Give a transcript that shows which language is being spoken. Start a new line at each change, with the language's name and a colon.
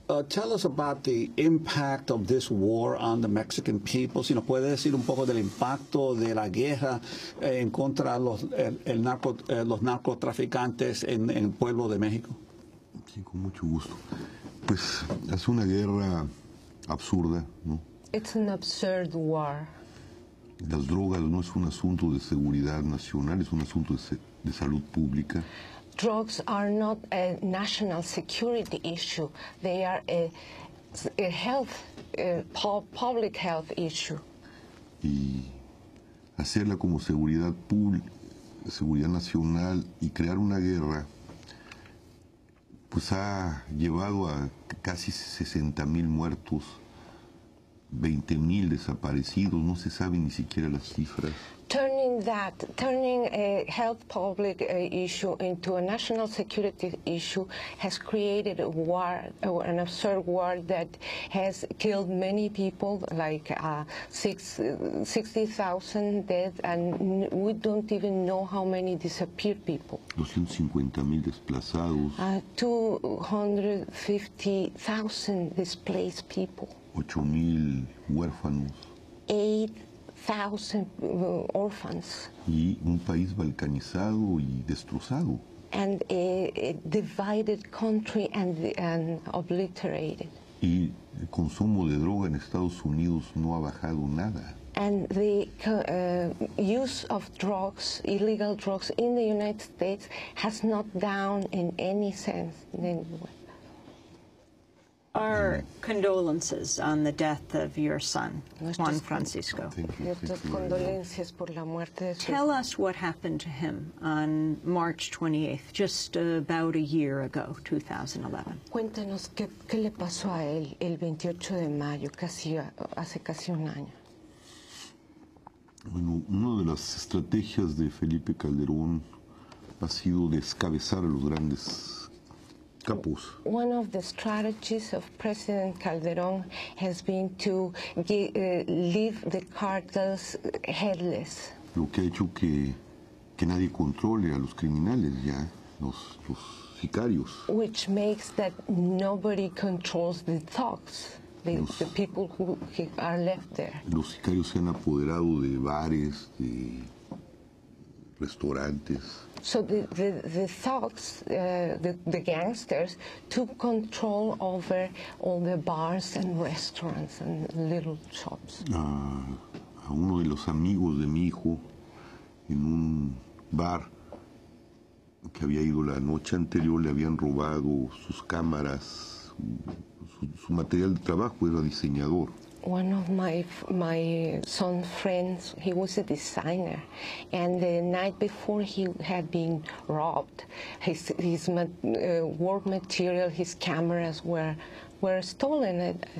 English: Tell us about the impact of this war on the Mexican people.
Spanish: Si nos puede decir un poco del impacto de la guerra en contra los narcotraficantes en el pueblo de México. Sí, con mucho gusto. Pues es una guerra absurda, ¿no?
English: It's an absurd war.
Spanish: Las drogas no es un asunto de seguridad nacional, es un asunto de salud pública.
English: Drugs are not a national security issue. They are a health, public health issue.
Spanish: Y hacerla como seguridad pública, seguridad nacional, y crear una guerra, pues ha llevado a casi 60,000 muertos, 20,000 desaparecidos, no se sabe ni siquiera las cifras.
English: Turning a health public issue into a national security issue has created a war, an absurd war that has killed many people, like 60,000 dead, and we don't even know how many disappeared people.
Spanish: 250,000 desplazados.
English: 250,000 displaced people.
Spanish: 8,000 huérfanos.
English: 8,000 orphans.
Spanish: Y un país balcanizado y destrozado.
English: And a divided country and obliterated.
Spanish: Y el consumo de droga en Estados Unidos no ha bajado nada.
English: And the use of drugs, illegal drugs, in the United States has not down in any sense in any way. Our condolences on the death of your son, Juan Francisco.
Spanish: Condolencias por la muerte de su...
English: Tell us what happened to him on March 28th, just about a year ago, 2011.
Spanish: Cuéntanos qué le pasó a él el 28 de mayo, hace casi un año. Bueno, una de las estrategias de Felipe Calderón ha sido descabezar a los grandes... capos.
English: One of the strategies of President Calderón has been to leave the cartels headless.
Spanish: Lo que ha hecho que nadie controle a los criminales ya, los sicarios.
English: Which makes that nobody controls the thugs, the people who are left there.
Spanish: Los sicarios se han apoderado de bares, de restaurantes.
English: So the thugs, the gangsters, took control over all the bars and restaurants and little shops.
Spanish: A uno de los amigos de mi hijo, en un bar que había ido la noche anterior, le habían robado sus cámaras, su material de trabajo, era diseñador.
English: One of my son's friends, he was a designer, and the night before he had been robbed, his work material, his cameras were stolen.